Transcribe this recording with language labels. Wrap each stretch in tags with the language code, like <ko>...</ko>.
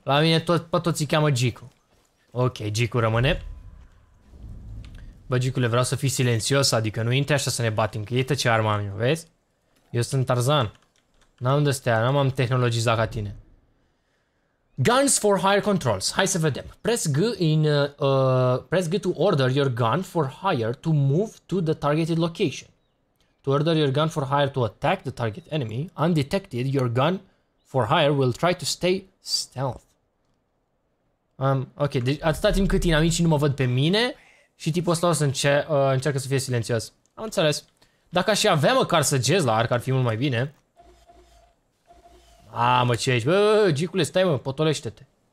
<ro>La mine tot, pe toți îi cheamă Gicu. Ok, Gicu rămâne. Bă, Gicule, vreau să fii silențios, adică nu intri așa să ne batem, că iată ce armă am eu, vezi? Eu sunt Tarzan. N-am de-astea, n-am tehnologizat ca tine.</ro> <en>Guns for hire controls.</en> <ro>Hai să vedem.</ro> <en>Press G in press G to order your gun for hire to move to the targeted location. To order your gun for hire to attack the target enemy undetected, your gun for hire will try to stay stealth.</en> <ro>Ok, deci atâta timp cât inamicii nu mă văd pe mine și tipul ăsta o să încearcă să fie silențios. Am înțeles. Dacă aș avea măcar să gez la arc, ar fi mult mai bine. mă, ce ești? Bă, Gicule, stai, mă, potolește-te.</ro>